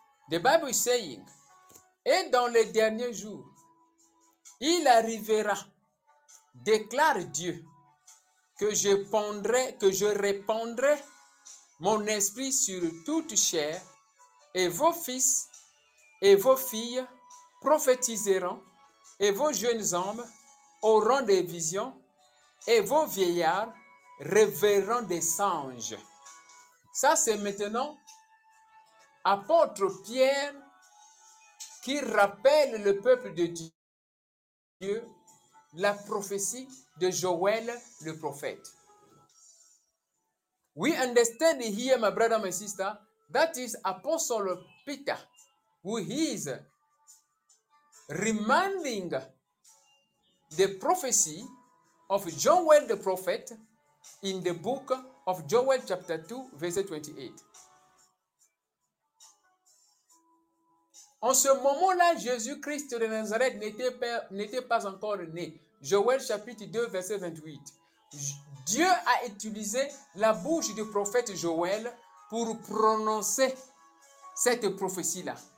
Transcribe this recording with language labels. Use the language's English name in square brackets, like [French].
[English] The Bible is saying, [French] et dans les derniers jours, il arrivera, déclare Dieu, que je pondrai, que je répandrai mon esprit sur toute chair, et vos fils et vos filles prophétiseront, et vos jeunes hommes auront des visions, et vos vieillards rêveront des songes. Ça, c'est maintenant apôtre Pierre qui rappelle le peuple de Dieu la prophétie de Joël le prophète. [English] We understand here, my brother, my sister, that is Apostle Peter, who is reminding the prophecy of Joel the prophet in the book of Joel chapter 2, verse 28. [French] En ce moment-là, Jésus-Christ de Nazareth n'était pas encore né. Joel chapitre 2, verset 28. Dieu a utilisé la bouche du prophète Joël pour prononcer cette prophétie-là.